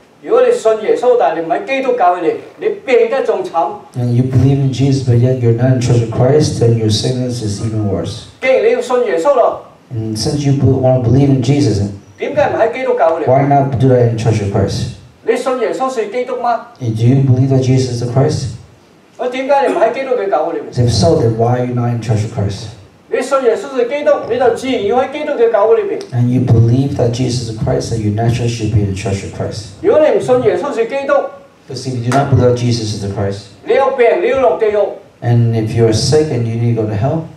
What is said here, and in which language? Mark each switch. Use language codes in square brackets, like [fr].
[yue] 如果你信耶稣，但系你唔喺基督教里，你病得仲惨。 [en] And you believe in Jesus, but yet you're not in Church of Christ, then your sickness is even worse. [yue] 既然你要信耶稣咯， [en] and since you want to believe in Jesus, [yue] 点解唔喺基督教里？ [en] Why not do that in Church of Christ? [yue] 你信耶稣是基督吗？ [en] And do you believe that Jesus is the Christ? [yue] 我点解你唔喺基督嘅教会里？ [en] If so, then why are you not in Church of Christ? [yue] 你信耶穌是基督，你就自然要喺基督嘅教會裏邊。 [en] And you believe that Jesus is Christ, then you naturally should be in the Church of Christ. [yue] 如果你唔信耶穌是基督， [en] Because if you do not believe that Jesus is the Christ, [yue] 你有病，你要落地獄。 [en] And if you are sick and you need to go to hell,